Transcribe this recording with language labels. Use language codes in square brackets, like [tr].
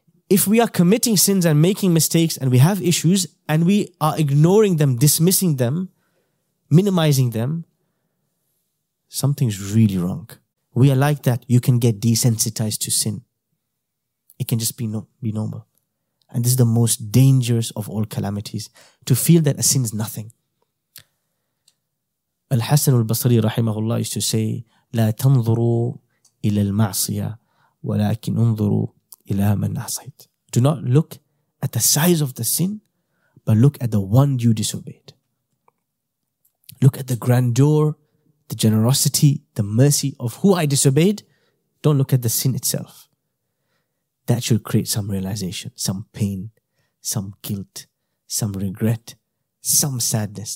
[en] If we are committing sins and making mistakes and we have issues and we are ignoring them, dismissing them, minimizing them, something's really wrong. We are like that. You can get desensitized to sin. It can just be normal. And this is the most dangerous of all calamities. To feel that a sin is nothing. [ar] Al-Hasan al-Basri rahimahullah [en] used to say, [ar] لا تنظروا إلى المعصية ولكن انظروا إلى من عصيت. [en] Do not look at the size of the sin, but look at the one you disobeyed. Look at the grandeur, the generosity, the mercy of who I disobeyed. Don't look at the sin itself. That should create some realization, some pain, some guilt, some regret, some sadness.